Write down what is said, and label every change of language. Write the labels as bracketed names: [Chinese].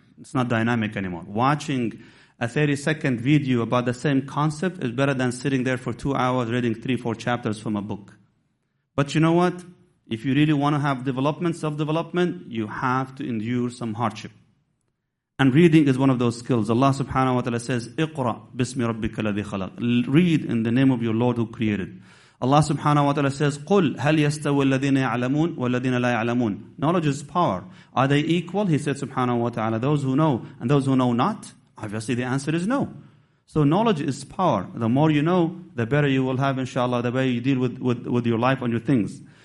[English] It's not dynamic anymore. Watching a 30-second video about the same concept is better than sitting there for 2 hours reading 3-4 chapters from a book. But you know what? If you really want to have development, self-development, you have to endure some hardship. And reading is one of those skills. Allah subhanahu wa ta'ala says, [Arabic] اقرأ بسم ربك الذي خلق. [English] Read in the name of your Lord who created. [Arabic] Allah subhanahu wa ta'ala says, قل هل يستوي الذين يعلمون والذين لا يعلمون. [English] Knowledge is power. Are they equal? He said subhanahu wa ta'ala, those who know and those who know not. Obviously the answer is no. So knowledge is power. The more you know, the better you will have, inshallah, the better you deal with your life and your things.